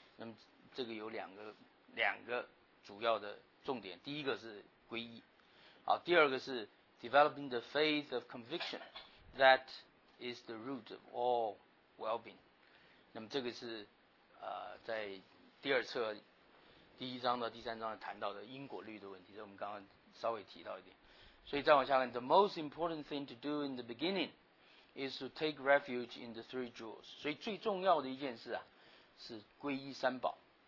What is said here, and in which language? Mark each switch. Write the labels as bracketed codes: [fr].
[zh] 那么这个有两个主要的重点，第一个是皈依，好，第二个是 [en] developing the faith of conviction that is the root of all well-being。 [zh] 那么这个是在第二册第一章到第三章谈到的因果律的问题，这我们刚刚稍微提到一点。所以再往下看， [en] the most important thing to do in the beginning is to take refuge in the three jewels。 [zh] 所以最重要的一件事啊，是皈依三宝。